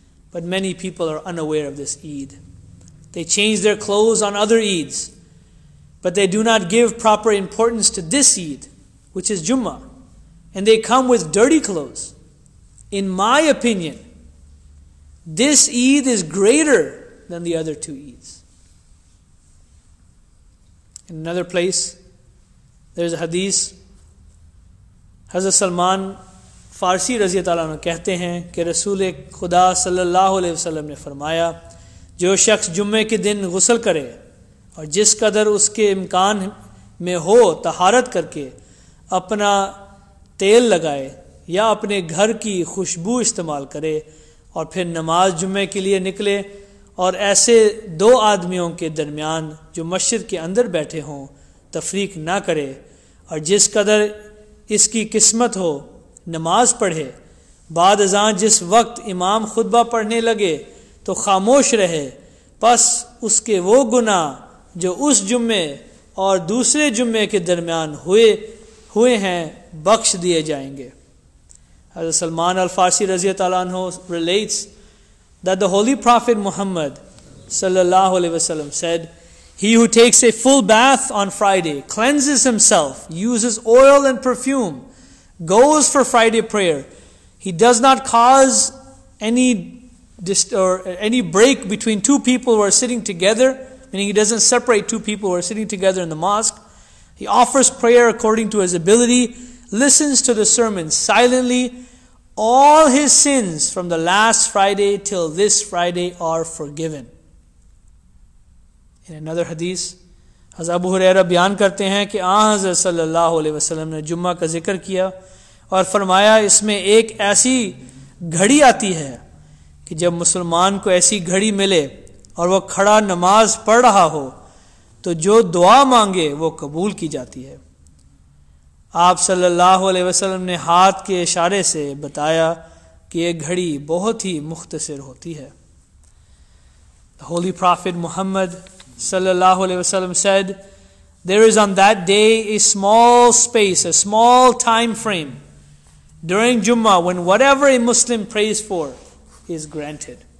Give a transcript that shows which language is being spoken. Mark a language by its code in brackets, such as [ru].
[en] But many people are unaware of this Eid. They change their clothes on other Eids, but they do not give proper importance to this Eid, which is Jummah. And they come with dirty clothes. In my opinion, this Eid is greater than the other two Eids. In another place, there's a hadith. [ur] Hazrat Salman فارسی رضی اللہ عنہ کہتے ہیں کہ رسول خدا صلی اللہ علیہ وسلم نے فرمایا جو شخص جمعے کے دن غسل کرے اور جس قدر اس کے امکان میں ہو طہارت کر کے اپنا تیل لگائے یا اپنے گھر کی خوشبو استعمال کرے اور پھر نماز جمعے کے لیے نکلے اور ایسے دو آدمیوں کے درمیان جو مسجد کے اندر بیٹھے ہوں تفریق نہ کرے اور جس قدر اس کی قسمت ہو نماز پڑھے بعد ازاں جس وقت امام خطبہ پڑھنے لگے تو خاموش رہے پس اس کے وہ گناہ جو اس جمعے اور دوسرے جمعے کے درمیان ہوئے ہیں بخش دیے جائیں گے. [en] حضرت سلمان الفارسی رضی اللہ عنہ relates that the Holy Prophet Muhammad صلی اللہ علیہ وسلم said, he who takes a full bath on Friday, cleanses himself, uses oil and perfume, goes for Friday prayer, he does not cause any break between two people who are sitting together, meaning he doesn't separate two people who are sitting together in the mosque. He offers prayer according to his ability, listens to the sermon silently. All his sins from the last Friday till this Friday are forgiven. In another hadith, [ur] Hazrat Abu Huraira bayan karte hain ki Hazrat sallallahu alaihi wasallam ne Jummah ka zikr kiya اور فرمایا اس میں ایک ایسی گھڑی آتی ہے کہ جب مسلمان کو ایسی گھڑی ملے اور وہ کھڑا نماز پڑھ رہا ہو تو جو دعا مانگے وہ قبول کی جاتی ہے. آپ صلی اللہ علیہ وسلم نے ہاتھ کے اشارے سے بتایا کہ یہ گھڑی بہت ہی مختصر ہوتی ہے. [en] The Holy Prophet Muhammad صلی اللہ علیہ وسلم said, there is on that day a small space, a small time frame during Jummah when whatever a Muslim prays for is granted.